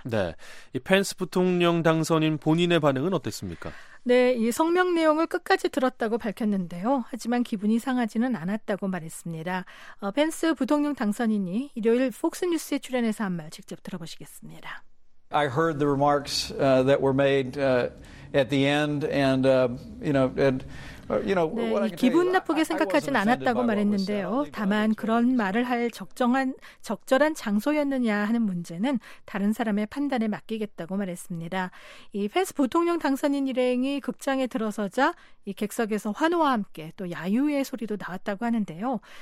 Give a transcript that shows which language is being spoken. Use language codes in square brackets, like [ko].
[ko] 네, 이 펜스 부통령 당선인 본인의 반응은 어땠습니까? 네, 이 성명 내용을 끝까지 들었다고 밝혔는데요. 하지만 기분이 상하지는 않았다고 말했습니다. 펜스 부통령 당선인이 일요일 폭스뉴스에 출연해서 한 말 직접 들어보시겠습니다. [en] I heard the remarks that were made at the end and you know and [ko] 네, 기분 나쁘게 생각하진 않았다고 말했는데요. 다만 그런 말을 할 적절한 장소였느냐 하는 문제는 다른 사람의 판단에 맡기겠다고 말했습니다. 이 펜스 부통령 당선인 일행이 극장에 들어서자 이 객석에서 환호와 함께 또 야유의 소리도 나왔다고 하는데요.